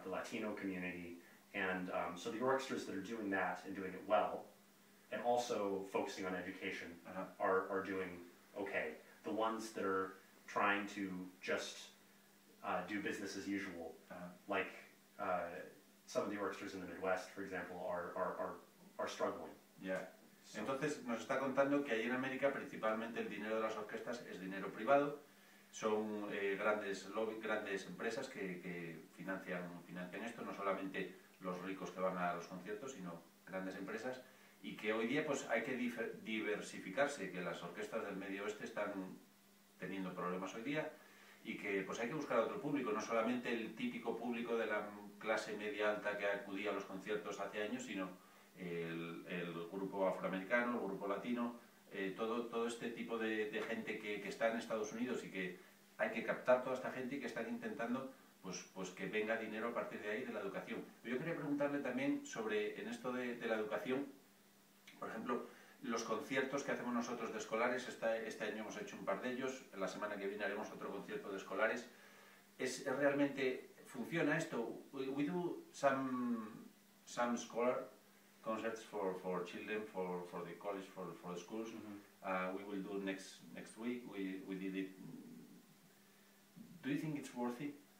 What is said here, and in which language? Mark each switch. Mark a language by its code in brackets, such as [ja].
[en] the Latino community, and so the orchestras that are doing that and doing it well, and also focusing on education, uh-huh. are doing okay. The ones that are trying to just do business as usual, uh-huh. like some of the orchestras in the Midwest, for example, are struggling. Yeah. [es] Entonces nos está contando que ahí en América principalmente el dinero de las orquestas es dinero privado, son grandes lobby, grandes empresas que financian esto, no solamente los ricos que van a los conciertos, sino grandes empresas, y que hoy día pues hay que diversificarse, que las orquestas del Medio Oeste están teniendo problemas hoy día, y que pues hay que buscar otro público, no solamente el típico público de la clase media alta que acudía a los conciertos hace años, sino el grupo afroamericano, el grupo latino, todo este tipo de gente que está en Estados Unidos, y que hay que captar toda esta gente y que están intentando pues que venga dinero a partir de ahí, de la educación. Yo quería preguntarle también sobre, en esto de la educación, por ejemplo, los conciertos que hacemos nosotros de escolares. Este año hemos hecho un par de ellos, la semana que viene haremos otro concierto de escolares. ¿Es realmente, funciona esto? [en] We do some scholar concerts for children, for the college, for the schools. Mm-hmm. We will do next week. We did it. Do you think it's worth it?